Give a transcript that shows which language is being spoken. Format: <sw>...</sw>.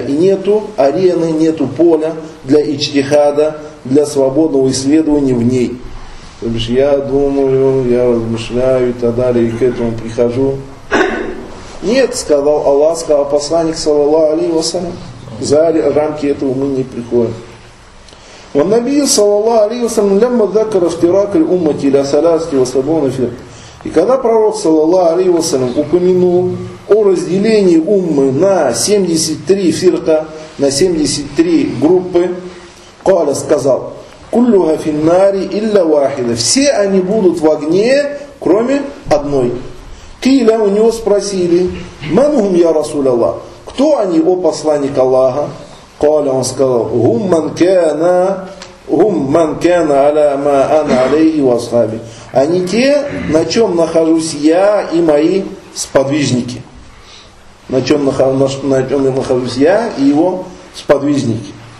<ru>И нету арены, нету поля для ичтихада, для свободного исследования в ней. То бишь я думаю, я размышляю и так далее, и к этому прихожу. Нет, сказал Аллах, сказал посланник, саллаллаху алейхи вассалям. За рамки этого мы не приходим.</ru> <ar>والنبي صلى الله عليه وسلم لما ذكر افتراق الأمة إلى 73 فرقة.</ar> <ru>И когда пророк саллаллаху алейхи ва саллям упомянул о разделении уммы на 73 фирка, на 73 группы,</ru> <ar>قَالَ</ar> <ru>сказал:</ru> <ar>كُلُّهَا فِي النَّارِ إِلَّا وَاحِدَةً.</ar> <ru>Все они будут в огне, кроме одной.</ru> <ar>قِيلَ</ar> <ru>у него спросили:</ru> <ar>مَنْ هُمْ يَا رَسُولَ اللَّهِ.</ar> <ru>Кто они, о посланник Аллаха?</ru> <ar>قال</ar> <ru>он сказал:</ru> <ar>гум ман кана аля ма ана алейхи ва асхаби.</ar> <ru>Они те, на чем нахожусь я и мои сподвижники. На чем нахожусь я и его сподвижники.</ru>